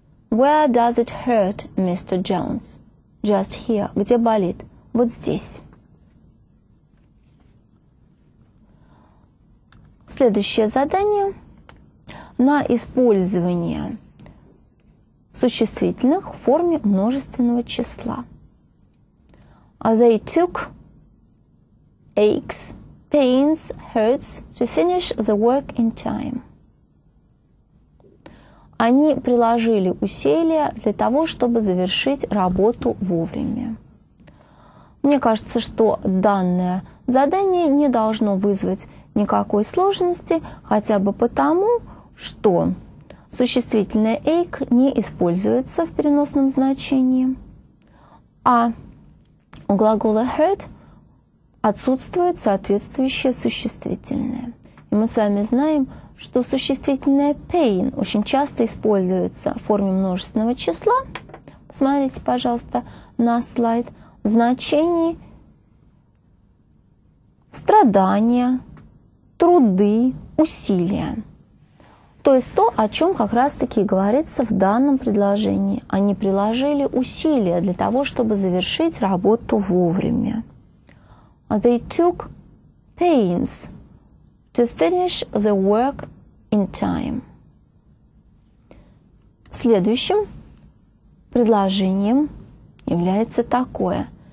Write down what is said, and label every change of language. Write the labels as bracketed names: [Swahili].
[English] Where does it hurt, Mr. Jones? Just here. [Russian] Где болит? Вот здесь. Следующее задание. На использование существительных в форме множественного числа. [English] They took aches, pains, hurts to finish the work in time. [Russian] Они приложили усилия для того, чтобы завершить работу вовремя. Мне кажется, что данное задание не должно вызвать никакой сложности, хотя бы потому, что существительное ache не используется в переносном значении, а у глагола hurt отсутствует соответствующее существительное. И мы с вами знаем, что существительное pain очень часто используется в форме множественного числа. Посмотрите, пожалуйста, на слайд. В значении страдания, труды, усилия. То есть то, о чем как раз-таки и говорится в данном предложении. Они приложили усилия для того, чтобы завершить работу вовремя. [English] They took pains to finish the work in time. [Russian] Следующим предложением является такое.